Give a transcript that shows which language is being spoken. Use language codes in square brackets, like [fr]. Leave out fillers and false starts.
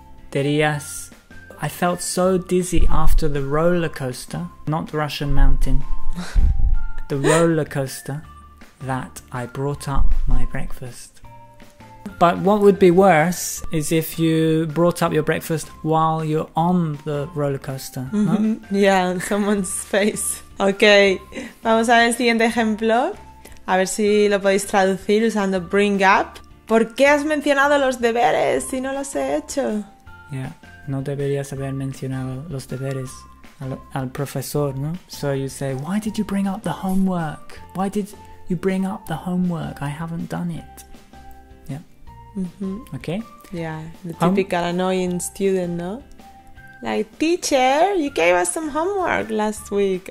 [es] Dirías, [en] I felt so dizzy after the roller coaster, not Russian mountain, the roller coaster, that I brought up my breakfast. But what would be worse is if you brought up your breakfast while you're on the roller coaster, no? Yeah, someone's face. [es] Okay, vamos a ver el siguiente ejemplo, a ver si lo podéis traducir usando bring up. ¿Por qué has mencionado los deberes si no los he hecho? Yeah, no deberías haber mencionado los deberes al profesor, ¿no? [en] So you say, why did you bring up the homework? Why did you bring up the homework? I haven't done it. Yeah. Okay? Yeah, the typical annoying student, [es] ¿no? [en] Like, teacher, you gave us some homework last week.